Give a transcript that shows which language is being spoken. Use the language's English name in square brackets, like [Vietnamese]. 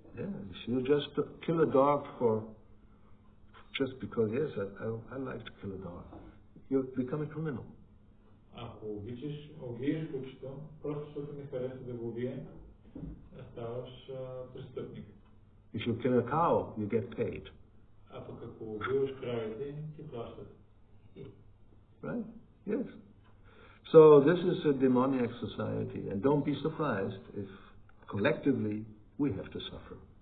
[English] Yeah, she'll just kill a dog for just because yes, I like to kill a dog. You'll become a criminal. [Bulgarian] Ако обичаш, убиеш кучето, просто защото ми хареса да го убие, ставаш престъпник. [English] If you kill a cow, you get paid. [Bulgarian] А пък ако убиваш кравите, ти плащат. [English] Right? Yes. So this is a demoniac society, and don't be surprised if collectively we have to suffer.